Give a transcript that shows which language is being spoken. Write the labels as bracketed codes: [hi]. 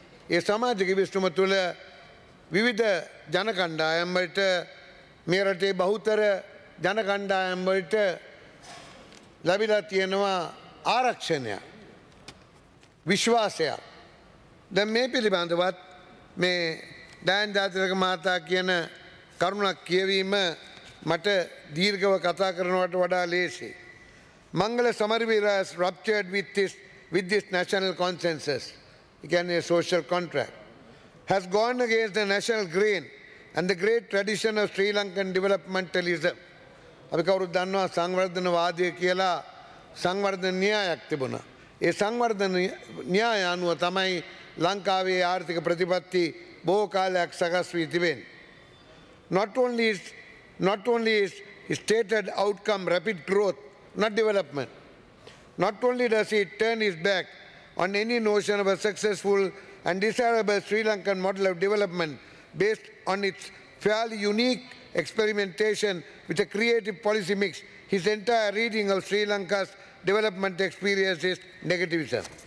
[si] ඒ සමාජ ගිවිසුම තුළ විවිධ ජන කණ්ඩායම් වලට මේ රටේ බහුතර ජන කණ්ඩායම් වලට ලැබිලා තියෙනවා ආරක්ෂණයක්, විශ්වාසයක්. දැන් මේ පිළිබඳවත් මේ දයන් ජාතිලක මහතා කියන කරුණක් කියවීම මට දීර්ඝව කතා කරනවට වඩා ලේසි. [en] Mangala Samaraweera has ruptured with this national consensus, again a social contract, has gone against the national grain and the great tradition of Sri Lankan developmentalism. [si] අපි කවුරුත් දන්නවා සංවර්ධනවාදය කියලා සංවර්ධන න්‍යායක් තිබුණා. ඒ සංවර්ධන න්‍යාය අනුව තමයි ලංකාවේ ආර්ථික ප්‍රතිපත්ති බොහෝ කාලයක් සකස් වී තිබෙන. [en] Not only is stated outcome, rapid growth, not development. Not only does he turn his back on any notion of a successful and desirable Sri Lankan model of development based on its fairly unique experimentation with a creative policy mix, his entire reading of Sri Lanka's development experience is negativism.